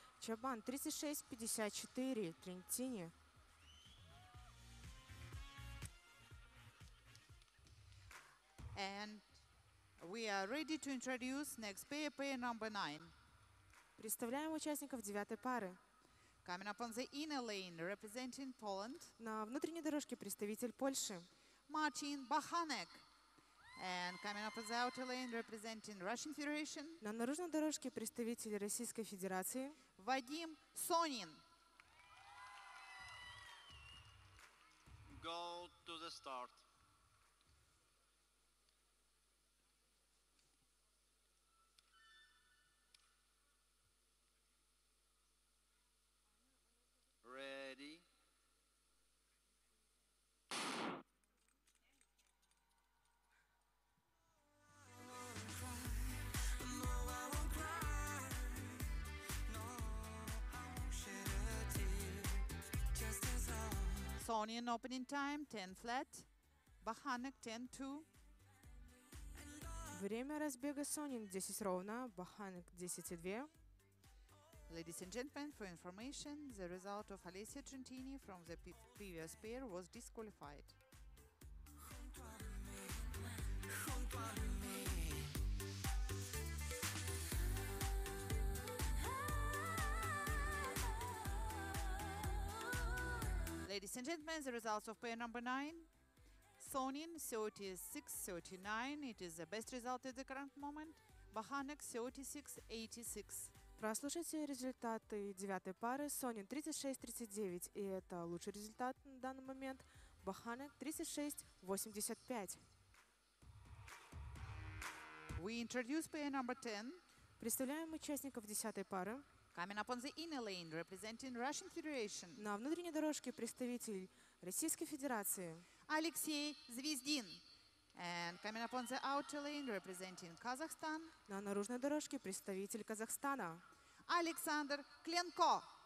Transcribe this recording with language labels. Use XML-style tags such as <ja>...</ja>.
<ru>Чабан 36-54, Trentini.</ru> <en>And we are ready to introduce next pair, pair number 9.</en> <ru>Представляем участников девятой пары.</ru> <en>Coming up on the inner lane, representing Poland.</en> <ru>На внутренней дорожке представитель Польши. Martin Bachanek.</ru> <en>And coming up on the outer lane, representing Russian Federation.</en> <ru>На наружной дорожке представитель Российской Федерации. Вадим Сонин.</ru> <en>Go to the start. Ready. Sony in opening time, 10 flat. Баханек 10-2.</en> <ru>Время разбега Сонин 10 ровно, Баханек 10-2.</ru> <en>Ladies and gentlemen, for information, the result of Alessio Trentini from the previous pair was disqualified. Ladies and gentlemen, the results of pair number 9. Sonin 36-39. It is the best result at the current moment.</en> <ru>Баханек 36-86. Прослушайте результаты девятой пары. Sonin 36-39. И это лучший результат на данный момент. Баханек 36-85.</ru> <en>We introduce pair number 10.</en> <ru>Представляем участников десятой пары.</ru> <en>Coming up on the inner lane, representing Russian Federation.</en> <ru>На внутренней дорожке представитель Российской Федерации.</ru> <en>Алексей Звездин. And coming up on the outer lane, representing Kazakhstan.</en> <ru>На наружной дорожке представитель Казахстана. Александр Кленко.</ru>